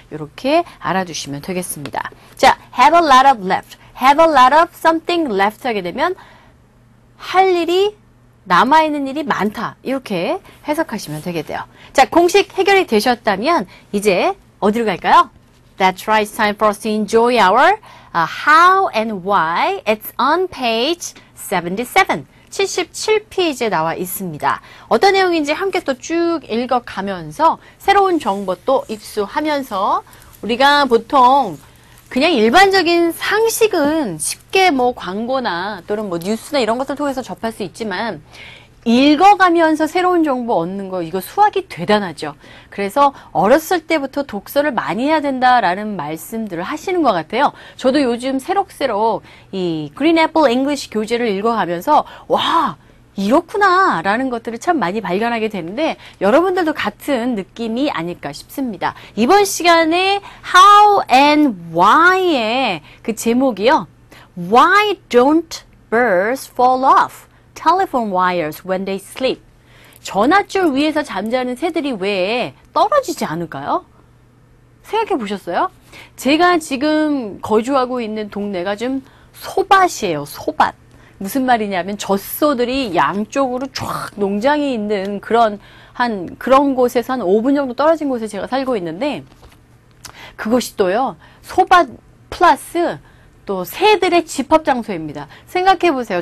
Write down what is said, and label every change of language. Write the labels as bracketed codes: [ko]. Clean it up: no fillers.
[ko] 이렇게 알아두시면 되겠습니다. 자, [en] have a lot of left. have a lot of something left [ko] 하게 되면 할 일이 남아있는 일이 많다. 이렇게 해석하시면 되게 돼요. 자, 공식 해결이 되셨다면 이제 어디로 갈까요? [en] That's right. It's time for us to enjoy our how and why. It's on page 77. [ko] 77페이지에 나와 있습니다. 어떤 내용인지 함께 또 쭉 읽어가면서 새로운 정보도 입수하면서 우리가 보통 그냥 일반적인 상식은 쉽게 뭐 광고나 또는 뭐 뉴스나 이런 것을 통해서 접할 수 있지만 읽어가면서 새로운 정보 얻는 거 이거 수학이 대단하죠. 그래서 어렸을 때부터 독서를 많이 해야 된다라는 말씀들을 하시는 것 같아요. 저도 요즘 새록새록 이 그린 애플 잉글리시 교재를 읽어가면서 와 이렇구나 라는 것들을 참 많이 발견하게 되는데 여러분들도 같은 느낌이 아닐까 싶습니다. 이번 시간에 How and Why의 그 제목이요. [en] Why don't birds fall off telephone wires when they sleep? [ko] 전화줄 위에서 잠자는 새들이 왜 떨어지지 않을까요? 생각해 보셨어요? 제가 지금 거주하고 있는 동네가 좀 소밭이에요. 소밭. 무슨 말이냐면 젖소들이 양쪽으로 쫙 농장이 있는 그런 곳에서 한 5분 정도 떨어진 곳에 제가 살고 있는데 그것이 또요 소밭 플러스 또 새들의 집합 장소입니다. 생각해 보세요.